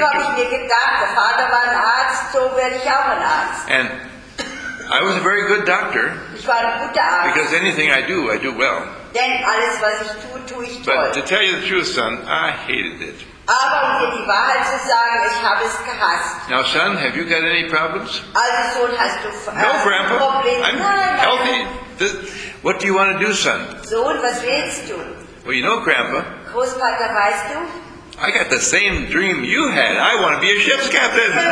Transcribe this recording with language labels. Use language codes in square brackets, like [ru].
[de] So habe ich mir gedacht, der Vater war ein Arzt, so werde ich auch ein Arzt. [en] And I was a very good doctor. [de] Ich war ein guter Arzt. [en] Because anything I do well. [de] Denn alles, was ich tue, tue ich toll. [en] But to tell you the truth, son, I hated it. [de] Aber um dir die Wahrheit zu sagen, ich habe es gehasst. [en] Now, son, have you got any problems? [de] Also, Sohn, hast du [en] no, Grandpa. [de] Problem? [en] I'm [de] nein, [en] healthy. [de] Nein. [en] What do you want to do, son? [de] Sohn, was willst du? [en] Well, you know, Grandpa. [de] Großvater, weißt du? [en] I got the same dream you had. I want to be a ship's captain.